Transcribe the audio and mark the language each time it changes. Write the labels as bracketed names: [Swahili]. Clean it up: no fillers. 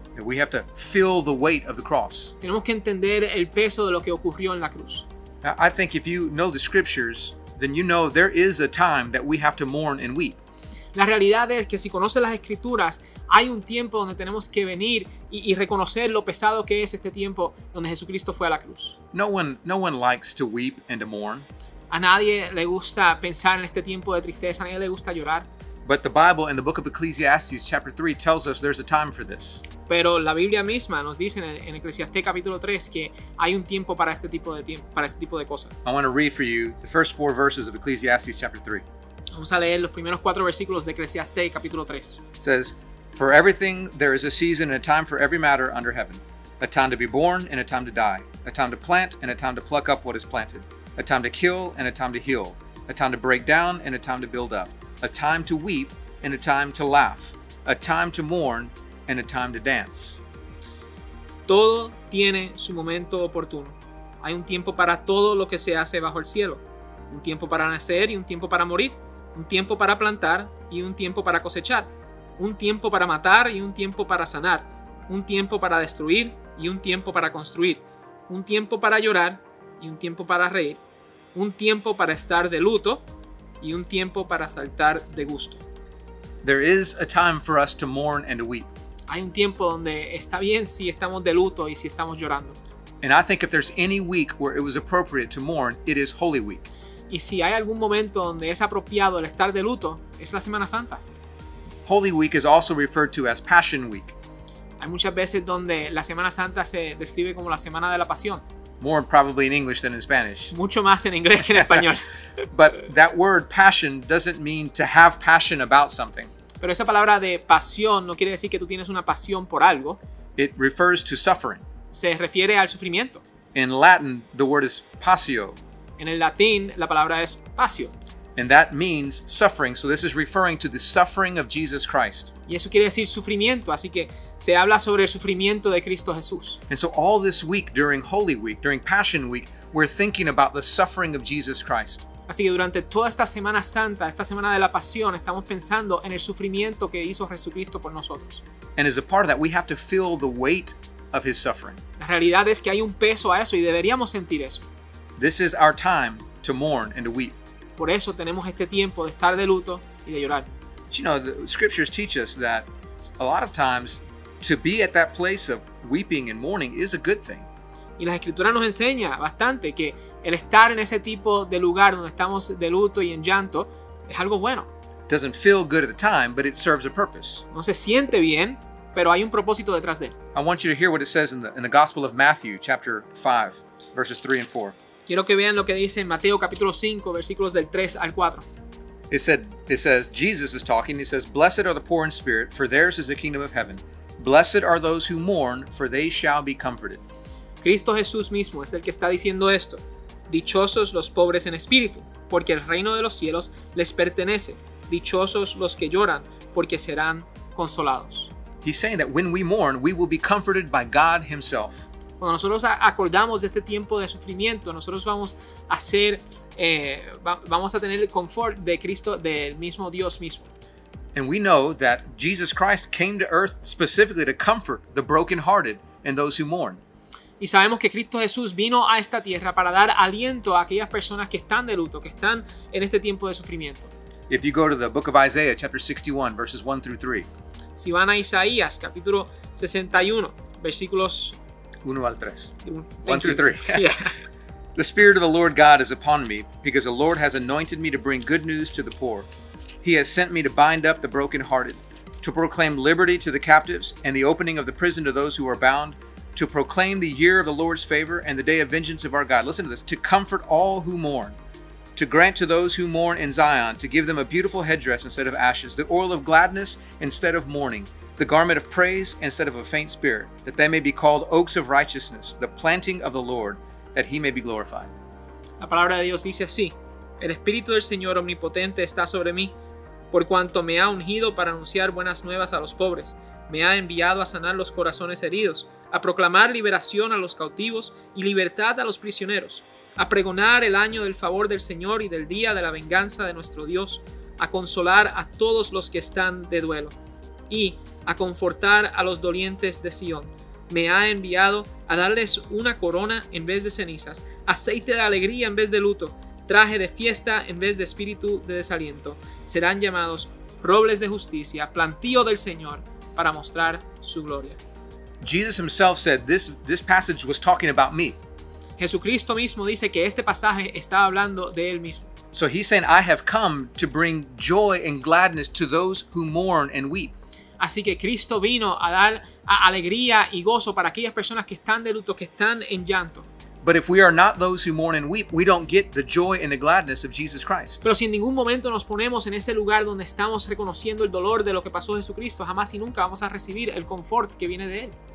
[English] And we have to feel the weight of the cross. [Spanish] Tenemos que entender el peso de lo que ocurrió en la cruz. [English] I think if you know the scriptures, then you know there is a time that we have to mourn and weep. [Spanish] La realidad es que si conoces las escrituras, hay un tiempo donde tenemos que venir y reconocer lo pesado que es este tiempo donde Jesucristo fue a la cruz. [English] No one likes to weep and to mourn. [Spanish] A nadie le gusta pensar en este tiempo de tristeza, a nadie le gusta llorar. [English] But the Bible in the book of Ecclesiastes chapter 3 tells us there's a time for this. [Spanish] Pero la Biblia misma nos dice en Eclesiastés capítulo 3 que hay un tiempo para este tipo de cosas. [English] I want to read for you the first four verses of Ecclesiastes chapter 3. [Spanish] Vamos a leer los primeros cuatro versículos de Eclesiastés capítulo 3. [English] It says, "For everything there is a season and a time for every matter under heaven. A time to be born and a time to die. A time to plant and a time to pluck up what is planted. A time to kill and a time to heal. A time to break down and a time to build up. A time to weep and a time to laugh. A time to mourn and a time to dance." [Spanish] Todo tiene su momento oportuno. Hay un tiempo para todo lo que se hace bajo el cielo. Un tiempo para nacer y un tiempo para morir. Un tiempo para plantar y un tiempo para cosechar. Un tiempo para matar y un tiempo para sanar. Un tiempo para destruir y un tiempo para construir. Un tiempo para llorar y un tiempo para reír. Un tiempo para estar de luto y un tiempo para saltar de gusto. [English] There is a time for us to mourn and to weep. [Spanish] Hay un tiempo donde está bien si estamos de luto y si estamos llorando. [English] And I think if there's any week where it was appropriate to mourn, it is Holy Week. [Spanish] Y si hay algún momento donde es apropiado el estar de luto, es la Semana Santa. [English] Holy Week is also referred to as Passion Week. [Spanish] Hay muchas veces donde la Semana Santa se describe como la Semana de la Pasión. [English] More probably in English than in Spanish. [Spanish] Mucho más en inglés que en español. [English] But that word passion doesn't mean to have passion about something. [Spanish] Pero esa palabra de pasión no quiere decir que tú tienes una pasión por algo. [English] It refers to suffering. [Spanish] Se refiere al sufrimiento. [English] In Latin, the word is passio. [Spanish] En el latín, la palabra es pasio. [English] And that means suffering. So this is referring to the suffering of Jesus Christ. [Spanish] Y eso quiere decir sufrimiento. Así que se habla sobre el sufrimiento de Cristo Jesús. [English] And so all this week, during Holy Week, during Passion Week, we're thinking about the suffering of Jesus Christ. [Spanish] Así que durante toda esta Semana Santa, esta Semana de la Pasión, estamos pensando en el sufrimiento que hizo Jesucristo por nosotros. [English] And as a part of that, we have to feel the weight of his suffering. [Spanish] La realidad es que hay un peso a eso y deberíamos sentir eso. [English] This is our time to mourn and to weep. [Spanish] Por eso tenemos este tiempo de estar de luto y de llorar. [English] But you know, the scriptures teach us that a lot of times to be at that place of weeping and mourning is a good thing. [Spanish] Y las escrituras nos enseña bastante que el estar en ese tipo de lugar donde estamos de luto y en llanto es algo bueno. [English] Doesn't feel good at the time, but it serves a purpose. [Spanish] No se siente bien, pero hay un propósito detrás de él. [English] I want you to hear what it says in the Gospel of Matthew, chapter 5, verses 3 and 4. [Spanish] Quiero que vean lo que dice en Mateo capítulo 5, versículos del 3 al 4. [English] It says, Jesus is talking, he says, "Blessed are the poor in spirit, for theirs is the kingdom of heaven. Blessed are those who mourn, for they shall be comforted." [Spanish] Cristo Jesús mismo es el que está diciendo esto. Dichosos los pobres en espíritu, porque el reino de los cielos les pertenece. Dichosos los que lloran, porque serán consolados. [English] He's saying that when we mourn, we will be comforted by God himself. [Spanish] Cuando nosotros acordamos de este tiempo de sufrimiento, nosotros vamos a ser, vamos a tener el confort de Cristo, del mismo Dios mismo. [English] And we know that Jesus Christ came to earth specifically to comfort the brokenhearted and those who mourn. [Spanish] Y sabemos que Cristo Jesús vino a esta tierra para dar aliento a aquellas personas que están de luto, que están en este tiempo de sufrimiento. [English] If you go to the book of Isaiah, chapter 61, verses 1 through 3. [Spanish] Si van a Isaías, capítulo 61, versículos 1 al 3. [English] 1 through 3. The Spirit of the Lord God is upon me, because the Lord has anointed me to bring good news to the poor. He has sent me to bind up the brokenhearted, to proclaim liberty to the captives, and the opening of the prison to those who are bound, to proclaim the year of the Lord's favor and the day of vengeance of our God. Listen to this. To comfort all who mourn. To grant to those who mourn in Zion, to give them a beautiful headdress instead of ashes, the oil of gladness instead of mourning, the garment of praise instead of a faint spirit, that they may be called oaks of righteousness, the planting of the Lord, that he may be glorified. [Spanish] La palabra de Dios dice así, el Espíritu del Señor Omnipotente está sobre mí, por cuanto me ha ungido para anunciar buenas nuevas a los pobres, me ha enviado a sanar los corazones heridos, a proclamar liberación a los cautivos y libertad a los prisioneros, a pregonar el año del favor del Señor y del día de la venganza de nuestro Dios, a consolar a todos los que están de duelo y a confortar a los dolientes de Sion. Me ha enviado a darles una corona en vez de cenizas, aceite de alegría en vez de luto, traje de fiesta en vez de espíritu de desaliento. Serán llamados robles de justicia, plantío del Señor para mostrar su gloria. [English] Jesus himself said this passage was talking about me. [Spanish] Jesucristo mismo dice que este pasaje está hablando de él mismo. [English] So he's saying, I have come to bring joy and gladness to those who mourn and weep. [Spanish] Así que Cristo vino a dar alegría y gozo para aquellas personas que están de luto, que están en llanto. [English] But if we are not those who mourn and weep, we don't get the joy and the gladness of Jesus Christ. [Spanish] Pero si en ningún momento nos ponemos en ese lugar donde estamos reconociendo el dolor de lo que pasó Jesucristo, jamás y nunca vamos a recibir el confort que viene de él.